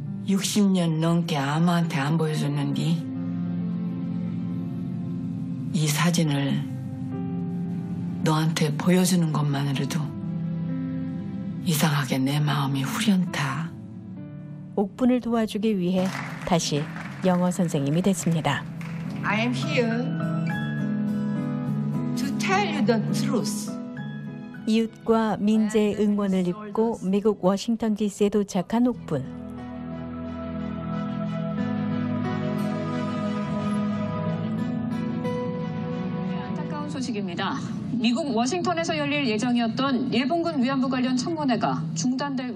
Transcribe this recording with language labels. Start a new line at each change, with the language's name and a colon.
Korean: 60년 넘게 아마한테 안 보여줬는데 이 사진을 너한테 보여주는 것만으로도 이상하게 내 마음이 후련타. 옥분을 도와주기 위해 다시 영어 선생님이 됐습니다.
English: I am here to tell you the truth.
Korean: 이웃과 민재의 응원을 입고 미국 워싱턴 DC에 도착한 옥분. 안타까운 소식입니다. 미국 워싱턴에서 열릴 예정이었던 일본군 위안부 관련 청문회가 중단될 위기에.